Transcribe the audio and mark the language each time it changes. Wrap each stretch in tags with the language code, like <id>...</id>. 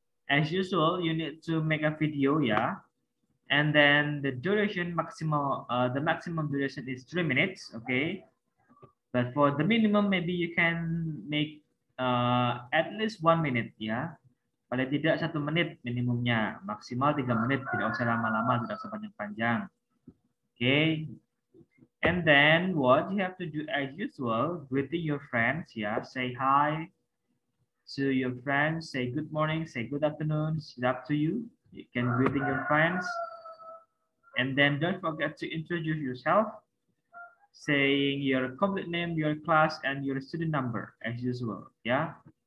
<en>As usual, you need to make a video, yeah? And then the duration, maximum duration is 3 minutes, okay? But for the minimum, maybe you can make at least 1 minute, ya.</en> <id>Paling tidak 1 menit minimumnya, maksimal 3 menit, tidak usah lama-lama, tidak usah panjang-panjang.</id> <en>Okay. And then what you have to do as usual, greeting your friends, ya. Say hi to your friends, say good morning, say good afternoon, it's up to you. You can greeting your friends. And then don't forget to introduce yourself, saying your complete name, your class, and your student number as usual, yeah.</en>